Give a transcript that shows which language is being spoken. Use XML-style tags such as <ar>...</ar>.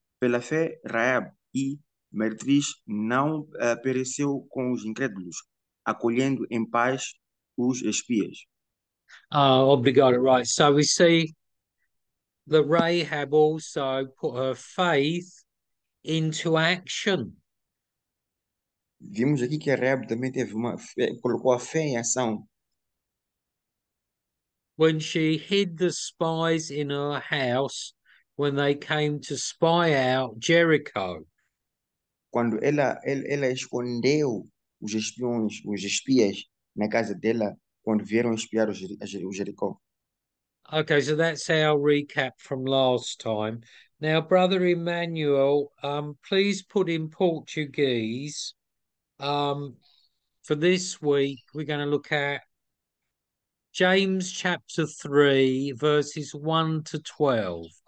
<pt>Pela fé, Raab e Meretriz não pereceu com os incrédulos, acolhendo em paz os espias. Obrigado,</pt> <en>right. So we see that Rahab also put her faith into action.</en> <pt>Vimos aqui que a Reb também teve uma fé, colocou a fé em ação.</pt> <en>When she hid the spies in her house when they came to spy out Jericho.</en> <pt>Quando ela escondeu os espias na casa dela quando vieram espiar o Jericó.</pt> <en>Okay, so that's our recap from last time. Now, Brother Emmanuel, please put in Portuguese. For this week, we're going to look at James chapter 3, verses 1 to 12.</en>